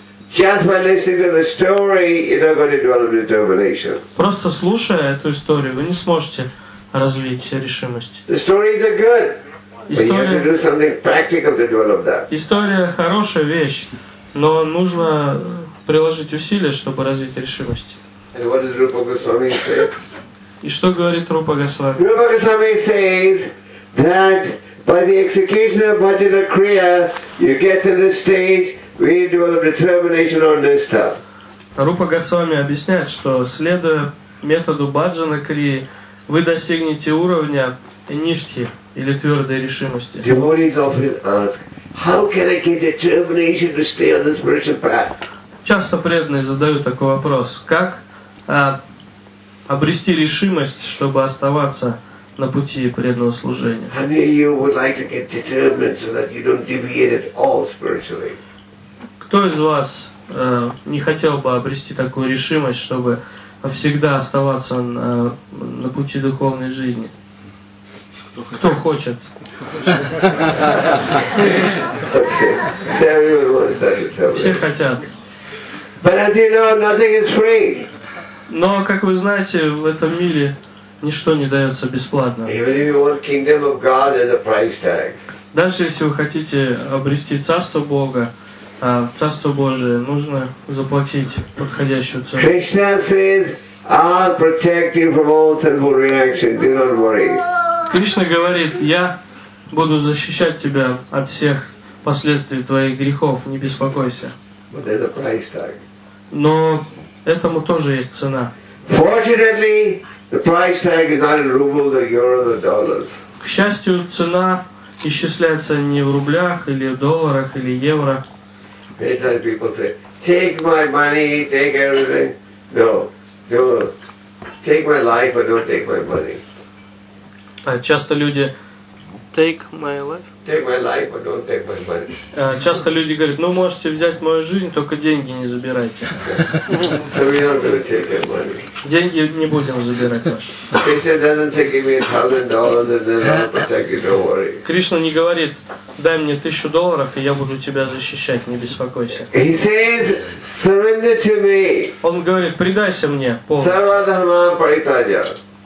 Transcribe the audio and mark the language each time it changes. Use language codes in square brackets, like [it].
[en] Just by listening to the story, you're not going to develop determination. [ru] Просто слушая эту историю, вы не сможете развить решимость. [en] The stories are good. But you have to do something practical to develop that. [ru] История хорошая вещь, но нужно приложить усилия, чтобы развить решимость. [en] And what does Rupa Goswami say? [ru] И что говорит Рупа Госвами? [en] Rupa Goswami says that by the execution of Bhajana Kriya, you get to the stage. We develop determination on this stuff. [ru] Рупа Госвами объясняет, что следуя методу Бхаджана Крии, вы достигнете уровня ништхи или твердой решимости. [en] Devotees often ask, how can I get determination to stay on the spiritual path? [ru] Часто преданные задают такой вопрос: как обрести решимость, чтобы оставаться на пути преданного служения? [en] How many of you would like to get determined so that you don't deviate at all spiritually? [ru] Кто из вас не хотел бы обрести такую решимость, чтобы всегда оставаться на пути духовной жизни? Кто хочет? Все хотят. [en] But as you know, nothing is free. [ru] Но, как вы знаете, в этом мире ничто не дается бесплатно. Даже если вы хотите обрести Царство Бога, Царство Божие, нужно заплатить подходящую цену. [en] Krishna says, I'll protect you from all sinful reactions. Do not worry. [ru] Кришна говорит, я буду защищать тебя от всех последствий твоих грехов, не беспокойся. [en] But there's a price tag. [ru] Но этому тоже есть цена. [en] Fortunately, the price tag is not in rubles or euros or dollars. [ru] К счастью, цена исчисляется не в рублях или долларах или евро. [en] Many times people say, take my money, take everything. No, no. Take my life, but don't take my money. [ru] Часто люди [en] take my life. Take my life, but don't take my money. [ru] Часто люди говорят, ну можете взять мою жизнь, только деньги не забирайте. [en] So we aren't gonna take your money. [ru] Деньги не будем забирать ваши. [en] Krishna doesn't say give me $1,000 and then I'll protect you, don't worry. [ru] Кришна не говорит, дай мне $1,000, и я буду тебя защищать, не беспокойся. [en] He says, surrender to me. [ru] Он говорит, предайся мне полностью.